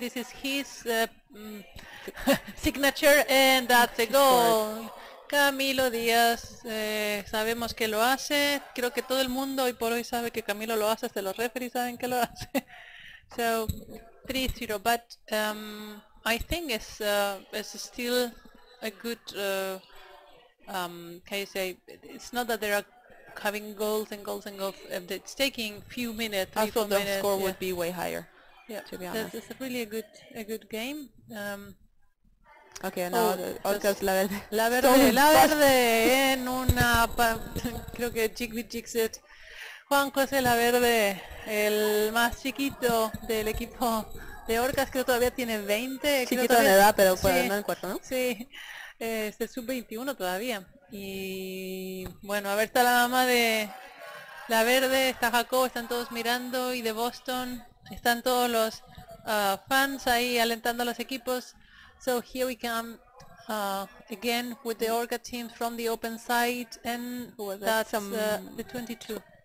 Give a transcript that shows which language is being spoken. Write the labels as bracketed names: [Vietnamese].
[English] This is his signature, and that's a goal. [Spanish] Camilo Diaz, sabemos que lo hace. Creo que todo el mundo hoy por hoy sabe que Camilo lo hace. Hasta los referees saben que lo hace. [English] So 3-0, but I think it's still a good, can you say, it's not that there are having goals and goals and goals, it's taking few minutes. I thought the score would be way higher. Yeah, to be honest, it's really a good game. Okay, now Orcas [Spanish] La Verde. La Verde, La Verde, en una, creo que Jigvi said Juan José La Verde, el más chiquito del equipo de Orcas, creo que todavía tiene 20. Chiquito todavía, en edad, pero sí, no en cuarto, ¿no? Sí, es el sub-21 todavía. Y bueno, a ver, está la mamá de La Verde, está Jacob, están todos mirando, y de Boston están todos los fans ahí alentando a los equipos. [English] So here we come again with the Orca team from the open side, and that's the